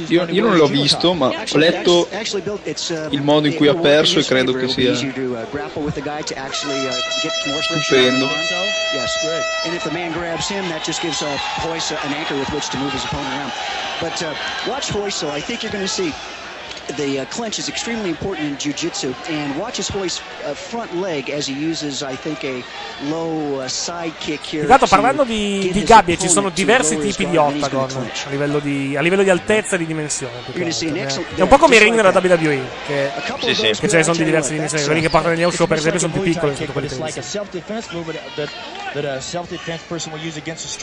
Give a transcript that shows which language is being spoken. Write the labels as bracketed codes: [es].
[it] Io non l'ho visto, ma ho letto il modo in cui ha perso e credo che sia stupendo. [en] And if the man grabs him, that just gives Hoyce an anchor with which to move his opponent around. But watch Hoyce, I think you're going to see. The clinch is extremely important in jiu-jitsu, and watch his Hoist front leg as he uses, I think, a low side kick here. [it] Intanto, parlando di gabbie, ci sono diversi tipi di octagon a livello di altezza e di dimensione. È un po' come i ring della WWE, che ce ne sono di diverse dimensioni. Quelli che parlano di Neo, per esempio, sono più piccoli rispetto a quelli tedeschi.